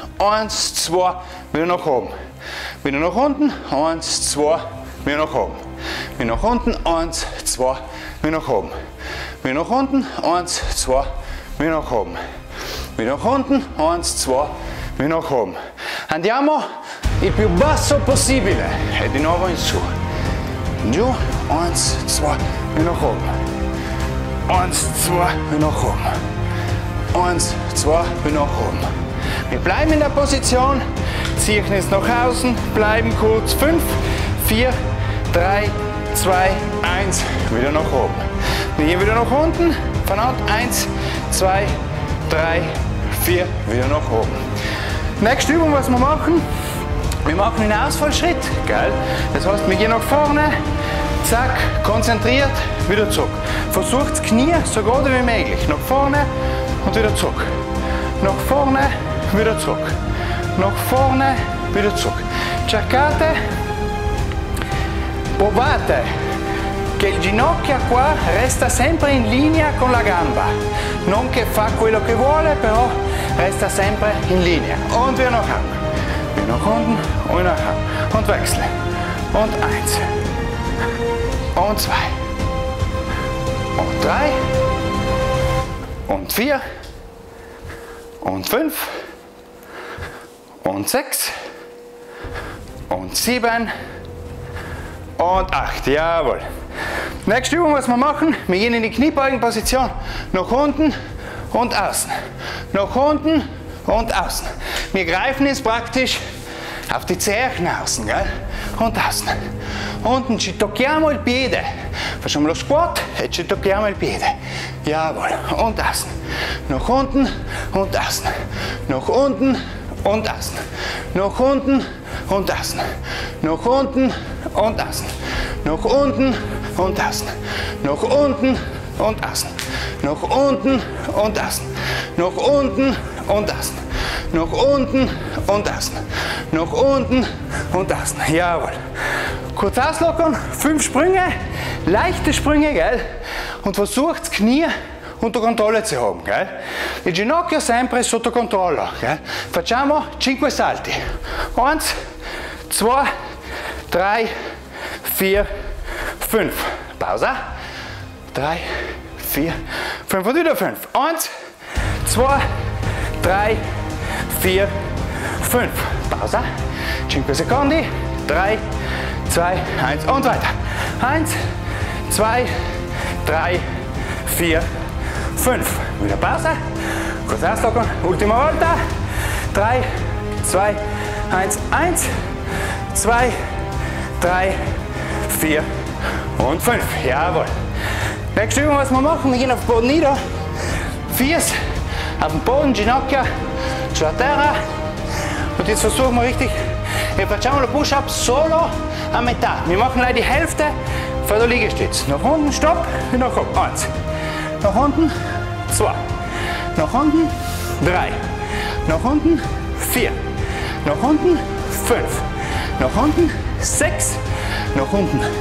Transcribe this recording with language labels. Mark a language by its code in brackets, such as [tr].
[de] Eins, zwei, wieder nach oben. Wieder nach unten. Eins, zwei, wieder nach oben. Wieder nach unten. Eins, zwei, wieder nach oben. Wieder nach unten. Eins, zwei, wieder nach oben. Wieder nach unten. Eins, zwei, wieder nach oben. [it] Andiamo il più basso possibile. E di nuovo in su. Giù. [de] Eins, zwei, wieder nach oben. Eins, zwei, wieder nach oben. Eins, zwei, wieder nach oben. Wir bleiben in der Position, ziehen jetzt nach außen, bleiben kurz. 5, 4, 3, 2, 1, wieder nach oben. Wir gehen wieder nach unten, voneinander. 1, 2, 3, 4, wieder nach oben. Nächste Übung, was wir machen einen Ausfallschritt. Geil. Das heißt, wir gehen nach vorne, zack, konzentriert, wieder zurück. Versucht Knie so gerade wie möglich, nach vorne und wieder zurück. Nach vorne. Wieder zurück. Nach vorne, wieder zurück. [it] Cercate, provate, che il ginocchio qua resta sempre in linea con la gamba. Non che fa quello che vuole, però resta sempre in linea. [de] Und wieder nach oben. Wieder nach unten, wieder nach oben. Und wechseln. Und eins. Und zwei. Und drei. Und vier. Und fünf. Und 6 und 7 und 8. Jawohl. Nächste Übung, was wir machen, wir gehen in die Kniebeugenposition. Nach unten und außen. Nach unten und außen. Wir greifen jetzt praktisch auf die Zehen außen, gell? Und außen. [it] Unten ci tocchiamo il piede. Facciamo lo squat e ci tocchiamo il piede. [de] Jawohl. Und außen. Nach unten und außen. Nach unten. Und außen. Nach unten und außen. Nach unten und außen. Nach unten und außen. Nach unten und außen. Nach unten und außen. Nach unten und außen. Nach unten und außen. Nach unten und außen. Jawohl. Kurz auslockern. 5 Sprünge. Leichte Sprünge, gell? Und versucht Knie unter Kontrolle zu haben. Gell? [it] Il ginocchio sempre sotto controllo. Gell? Facciamo 5 salti. 1, 2, 3, 4, 5. Pausa. [de] 3, 4, 5 und wieder 5. 1, 2, 3, 4, 5. Pausa. 5 Sekunden. 3, 2, 1 und weiter. 1, 2, 3, 4, 5. Wieder Pause. Kurz auslockern. [it] Ultima volta. [de] 3, 2, 1, 1, 2, 3, 4 und 5. Jawohl. Nächste Übung, was wir machen, wir gehen auf den Boden nieder. Fies auf den Boden, [it] Ginocchia, sulla terra. [de] Und jetzt versuchen wir richtig. [it] Wir facciamo lo push-up solo a metà. [de] Wir machen leider die Hälfte vor der Liegestütz. Nach unten, stopp, nach oben. 1. Nach unten. 2. Nach unten. 3. Nach unten. 4. Nach unten. 5. Nach unten. 6. nach unten.